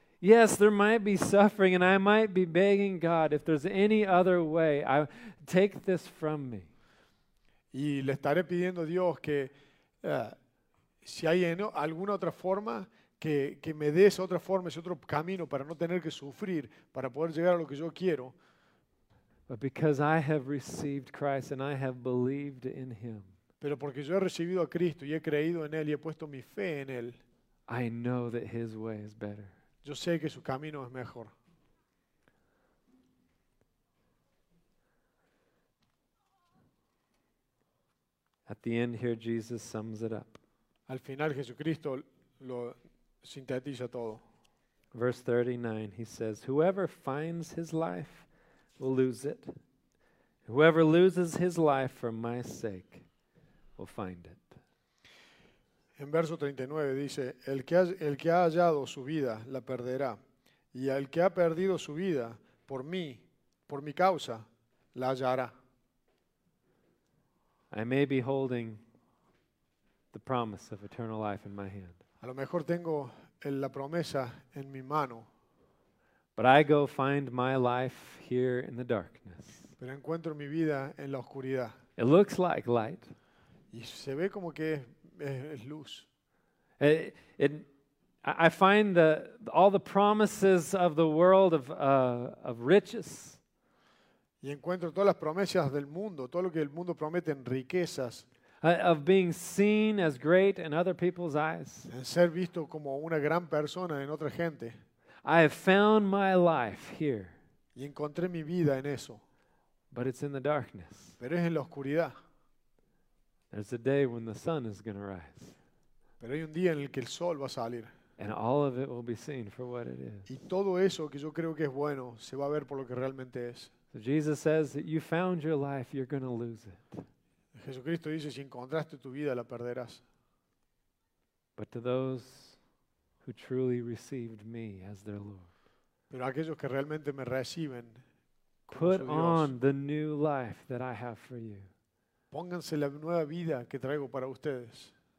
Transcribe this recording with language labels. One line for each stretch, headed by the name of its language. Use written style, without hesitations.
English: Yes, there might be suffering and I might be begging God, if there's any other way, take this from me.
Spanish: Y le estaré pidiendo a Dios que si hay alguna otra forma, que me dé esa otra forma, ese otro camino para no tener que sufrir, para poder llegar a lo que yo quiero.
English: But because I have received Christ and I have believed in him.
Spanish: Pero porque yo he recibido a Cristo y he creído en él y he puesto mi fe en él.
English: I know that his way is better.
Spanish: Yo sé que su camino es mejor.
English: At the end here Jesus sums it up.
Spanish: Al final Jesucristo lo sintetiza todo.
English: Verse 39, he says, whoever finds his life will lose it. Whoever loses his life for my sake will find it.
Spanish: En verso 39 dice, el que ha hallado su vida la perderá, y el que ha perdido su vida por mi causa, la hallará.
English: I may be holding the promise of eternal life in my hand.
Spanish: A lo mejor tengo la promesa en mi mano.
English: But I go find my life here in the darkness.
Spanish: Pero encuentro mi vida en la oscuridad.
English: It looks like light.
Spanish: Y se ve como que es luz.
English: I find all the promises of the world of riches.
Spanish: Y encuentro todas las promesas del mundo, todo lo que el mundo promete en riquezas.
English: Of being seen as great in other people's eyes.
Spanish: En ser visto como una gran persona en otra gente.
English: I have found my life here.
Spanish: Y encontré mi vida en eso.
English: But it's in the darkness.
Spanish: Pero es en la oscuridad.
English: There's a day when the sun is going to rise.
Spanish: Pero hay un día en el que el sol va a salir.
English: And all of it will be seen for what it is.
Spanish: Y todo eso que yo creo que es bueno se va a ver por lo que realmente es.
English: So Jesus says that you found your life, you're going to lose it.
Spanish: Jesucristo dice, si encontraste tu vida, la perderás.
English: But to those who truly received me as their Lord.
Spanish: Pero aquellos que realmente me reciben,
English: put on the new life that I have for you.
Spanish: Pónganse la nueva vida que traigo para ustedes.